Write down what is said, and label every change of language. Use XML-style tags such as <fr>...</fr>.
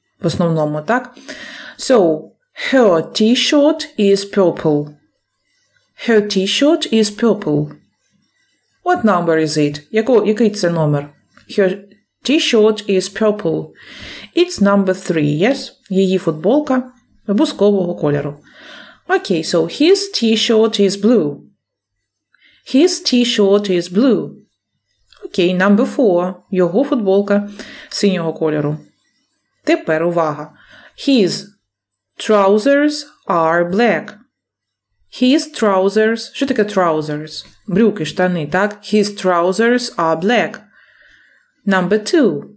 <uk>В основному, так?</uk> <en>So, her t-shirt is purple. Her t-shirt is purple. What number is it?</en> <uk>Який це номер?</uk> <en>Her t-shirt is purple. It's number 3, yes?</en> <uk>Її футболка бузкового кольору.</uk> <en>Okay, so his t-shirt is blue. His t-shirt is blue. Okay, number 4.</en> <uk>Його футболка синього кольору. Тепер увага.</uk> <en>His trousers are black. His trousers...</en> <uk>Що таке trousers? Брюки, штани, так?</uk> <en>His trousers are black. Number 2.</en>